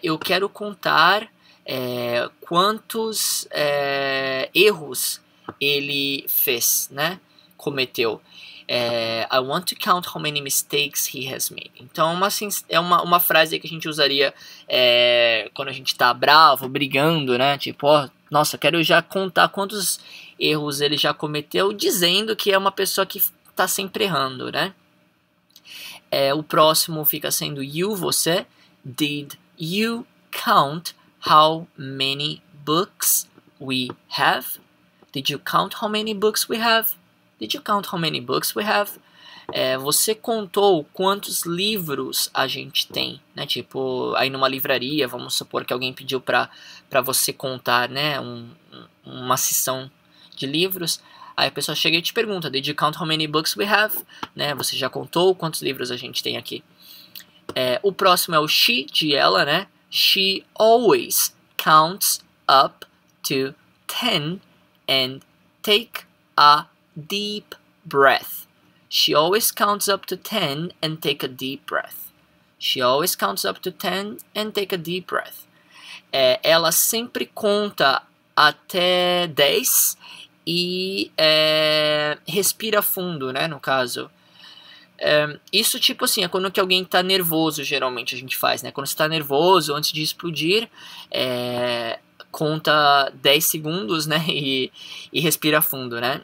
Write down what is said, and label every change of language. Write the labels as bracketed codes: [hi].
[pt] Eu quero contar quantos erros ele fez, né? Cometeu. [en] I want to count how many mistakes he has made. [pt] Então, é uma frase que a gente usaria quando a gente tá bravo, brigando, né? Tipo, nossa, quero já contar quantos erros ele já cometeu, dizendo que é uma pessoa que tá sempre errando, né? O próximo fica sendo you, você. [en] Did you count how many books we have? Did you count how many books we have? Did you count how many books we have? [pt] Você contou quantos livros a gente tem, né? Tipo, aí numa livraria, vamos supor que alguém pediu pra você contar, né? Uma sessão de livros. Aí a pessoa chega e te pergunta, [en] did you count how many books we have? [pt] Né? Você já contou quantos livros a gente tem aqui? O próximo é o she, de ela, né? [en] She always counts up to 10 and take a deep breath. She always counts up to 10 and take a deep breath. She always counts up to 10 and take a deep breath. [pt] Ela sempre conta até 10 e respira fundo, né, no caso. Isso, tipo assim, é quando que alguém tá nervoso, geralmente a gente faz, né? Quando você tá nervoso, antes de explodir, conta 10 segundos, né, e respira fundo, né?